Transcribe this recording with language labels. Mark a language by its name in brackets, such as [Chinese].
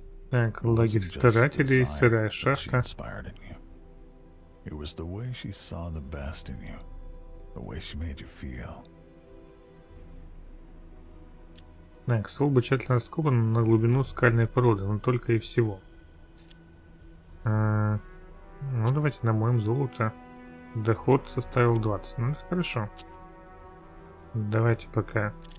[Russian] Так, лагерь старателей, сырая шахта. [English] It was the way she saw the best in you. The way she made you feel. [Russian] Так, стол бы тщательно раскопан на глубину скальной породы, но только и всего. Ну давайте намоем золото. Доход составил 20. Ну хорошо. Давайте пока.